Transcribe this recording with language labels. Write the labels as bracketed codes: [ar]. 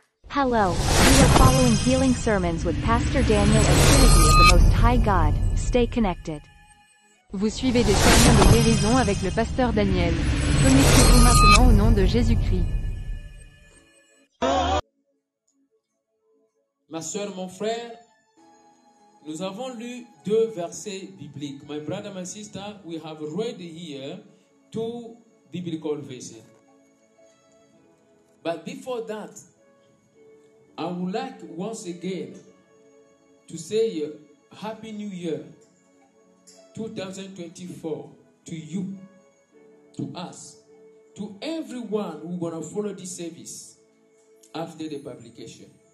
[en] Hello, we are following healing sermons with Pastor Daniel and Trinity of the Most High God. Stay connected. [fr] Vous suivez des sermons de guérison avec le Pasteur Daniel. Connectez-vous maintenant au nom de Jésus-Christ. Ma soeur, mon frère, nous avons lu deux versets bibliques. [en] My brother, my sister, we have read here two biblical verses. But before that, I would like once again to say Happy New Year 2024 to you, to us, to everyone who is going to follow this service after the publication.